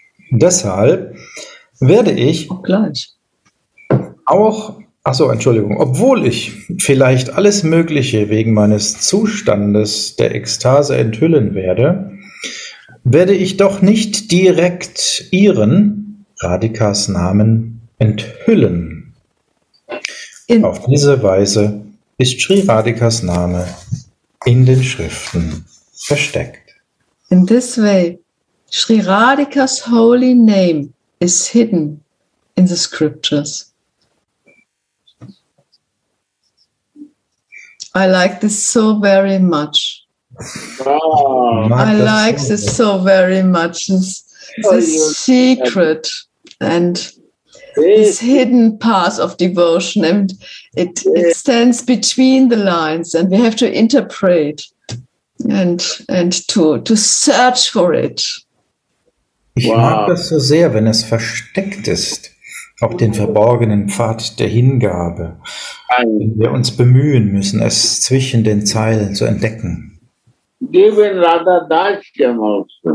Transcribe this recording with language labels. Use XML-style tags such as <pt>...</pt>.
<de>Deshalb werde ich obwohl ich vielleicht alles Mögliche wegen meines Zustandes der Ekstase enthüllen werde, werde ich doch nicht direkt ihren Radhikas Namen enthüllen. Auf diese Weise ist Sri Radhikas Name in den Schriften versteckt.</de> <en>In this way, Sri Radhika's holy name is hidden in the scriptures. I like this so very much. I like this so very much. This secret and this hidden path of devotion, and it stands between the lines, and we have to interpret and to search for it.</en> <de>Ich mag das so sehr, wenn es versteckt ist, auf den verborgenen Pfad der Hingabe, wenn wir uns bemühen müssen, es zwischen den Zeilen zu entdecken.</de> <en>Given Radha Dasyam also.</en>